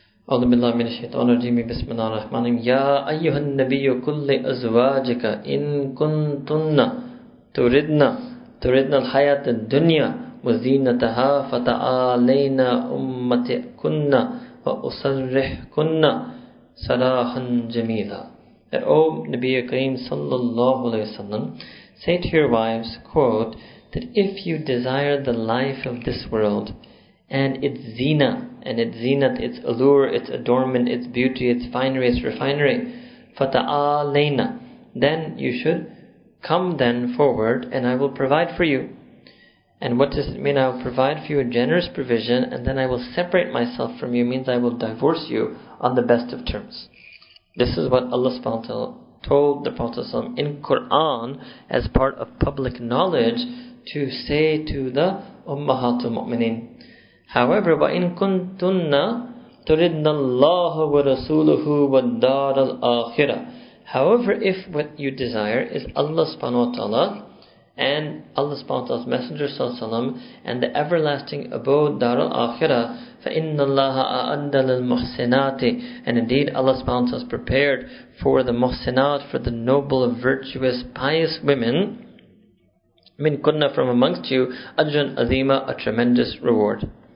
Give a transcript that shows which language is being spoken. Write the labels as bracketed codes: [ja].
[ar] أعوذ بالله من الشيطان الرجيم بسم الله الرحمن الرحيم يا أيها النبي قل لأزواجك إن كنتن تردن الحياة الدنيا وزينتها فتعالين أمتكن وأسرحكن سراحا جميلا. [en] And O Nabi Kareem sallallahu alayhi wa sallam, say to your wives, quote, that if you desire the life of this world and its zina, and its zenith, its allure, its adornment, its beauty, its finery, its refinery, fata'alayna, then you should come then forward, and I will provide for you. And what does it mean? I will provide for you a generous provision, and then I will separate myself from you. It means I will divorce you on the best of terms. This is what Allah subhanahu wa ta'ala told the Prophet in Quran as part of public knowledge to say to the Ummahatul Mu'mineen. However, [ar] وَإِن كُنْتُنَّ تُرِدْنَ اللَّهَ وَرَسُولُهُ وَالدَّارَ الْآخِرَةِ. [en] However, if what you desire is Allah subhanahu wa ta'ala and Allah subhanahu wa ta'ala's Messenger sallallahu alayhi wa sallam and the everlasting abode, [ar] دار الآخرة, فَإِنَّ اللَّهَ أَعَدَّ لِلْمُحْسِنَاتِ. [en] And indeed, Allah subhanahu wa ta'ala has prepared for the muhsinat, for the noble, virtuous, pious women, [ar] مِنْ كُنَّ, [en] from amongst you, [ar] أَجْرًا أَذِيمًا, [en] a tremendous reward.